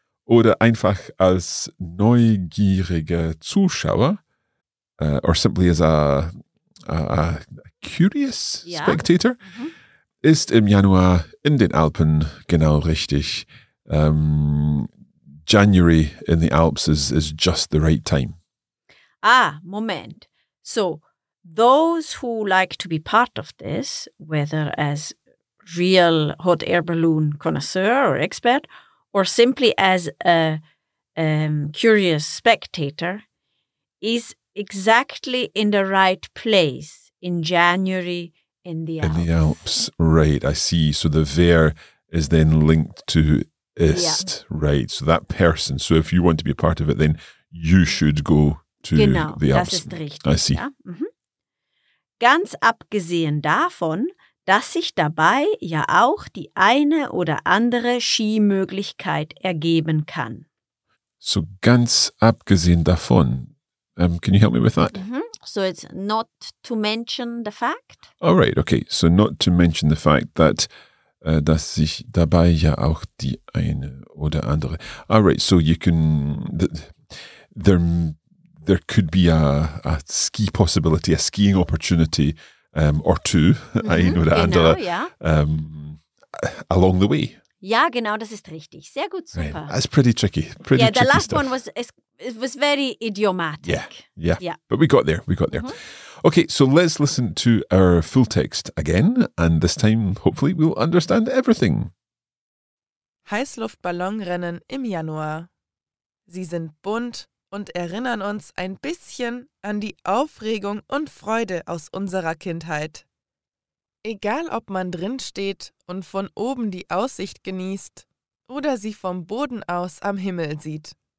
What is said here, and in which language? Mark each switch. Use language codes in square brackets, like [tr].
[de] Oder einfach als neugieriger Zuschauer, [en] or simply as a curious yeah. spectator. Mm-hmm. [de] Ist im Januar in den Alpen genau richtig. [en] January in the Alps is just the right time. [de] Ah, Moment. [en] So, those who like to be part of this, whether as real hot air balloon connoisseur or expert, or simply as a curious spectator, is exactly in the right place in January. In the Alps, right, I see. So the Wer is then linked to Ist, yeah. right. So that person. So if you want to be a part of it, then you should go to [de] genau, [en] the Alps. [de] Genau, das ist richtig. [en] I see. [de] Ja? Mhm. Ganz abgesehen davon, dass sich dabei ja auch die eine oder andere Skimöglichkeit ergeben kann. [en] So [de] ganz abgesehen davon. [en] Can you help me with that? Mm-hmm. So it's not to mention the fact? All right, okay. So not to mention the fact that [de] dass sich dabei ja auch die eine oder andere. [en] All right, so you can there could be a ski possibility, a skiing opportunity or two, mm-hmm. [de] ein oder genau, andere, [en] yeah. Along the way. [de] Ja, genau, das ist richtig. Sehr gut, super. [en] Right. That's pretty tricky. Pretty yeah, the tricky last stuff. One was very idiomatic. Yeah. But we got there. Mm-hmm. Okay, so let's listen to our full text again, and this time hopefully we'll understand everything. [de] Heißluftballonrennen im Januar. Sie sind bunt und erinnern uns ein bisschen an die Aufregung und Freude aus unserer Kindheit. Egal, ob man drin steht und von oben die Aussicht genießt oder sie vom Boden aus am Himmel sieht.